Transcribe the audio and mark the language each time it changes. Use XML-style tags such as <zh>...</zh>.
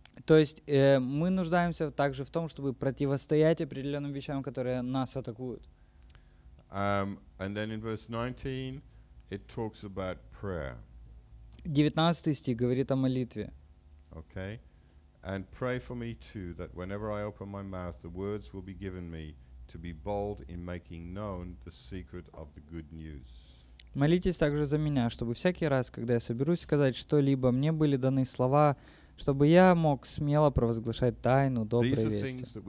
<ru>То есть мы нуждаемся также в том, чтобы противостоять определенным вещам, которые нас атакуют.</ru> <en>And then in verse 19, it talks about prayer.</en> <ru>19 стих говорит о молитве.</ru> <en>Okay, and pray for me too, that whenever I open my mouth, the words will be given me to be bold in making known the secret of the good news.</en> <ru>Молитесь также за меня, чтобы всякий раз, когда я соберусь сказать что-либо, мне были даны слова, чтобы я мог смело провозглашать тайну доброй вести.</ru>